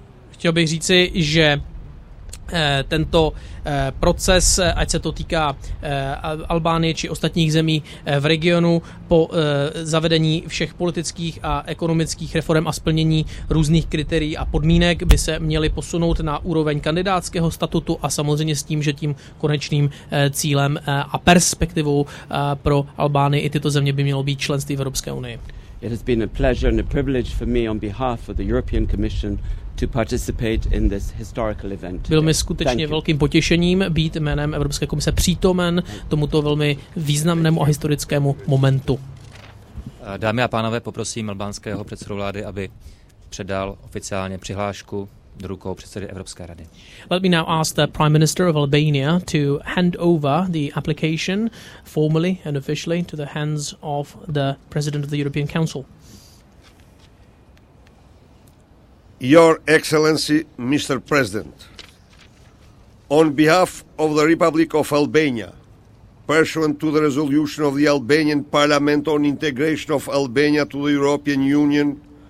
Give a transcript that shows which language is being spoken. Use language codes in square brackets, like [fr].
[cs] Chtěl bych říci, že tento proces, ať se to týká Albánie či ostatních zemí v regionu, po zavedení všech politických a ekonomických reform a splnění různých kritérií a podmínek by se měly posunout na úroveň kandidátského statutu a samozřejmě s tím, že tím konečným cílem a perspektivou pro Albánii i tyto země by mělo být členství v Evropské unii. [en] It has been a pleasure and a privilege for me on behalf of the European Commission to participate in this historical event. [cs] Bylo mi skutečně velkým potěšením být jménem Evropské komise přítomen tomuto velmi významnému a historickému momentu. Dámy a pánové, poprosím albánského předsedu vlády, aby předal oficiálně přihlášku do rukou předsedy Evropské rady. [en] Let me now ask the Prime Minister of Albania to hand over the application formally and officially to the hands of the President of the European Council. Your Excellency, Mr. President, on behalf of the Republic of Albania, pursuant to the resolution of the Albanian Parliament on integration of Albania to the European Union